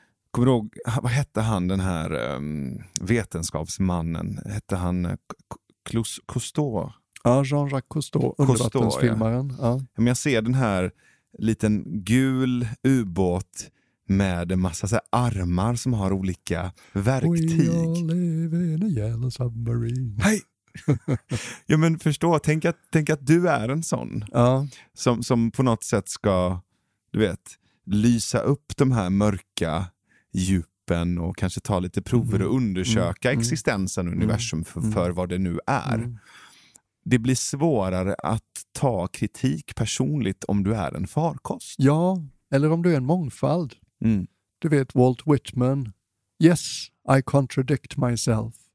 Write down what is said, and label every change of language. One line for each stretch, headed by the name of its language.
Swedish: Kommer du ihåg, vad hette han, den här vetenskapsmannen? Hette han Cousteau? Ja, Jean-Jacques Cousteau, undervattensfilmaren. Ja. Men jag ser den här liten gul ubåt med en massa så här armar som har olika verktyg.
English: We all live in a yellow submarine.
Swedish: Hej! Ja, men förstå, tänk att du är en sån. Ja. Som på något sätt ska, du vet, lysa upp de här mörka djupen och kanske ta lite prover och undersöka existensen och universum för vad det nu är. Mm. Det blir svårare att ta kritik personligt om du är en farkost. Ja, Eller om du är en mångfald. Mm. Du vet Walt Whitman.
English: Yes, I contradict myself.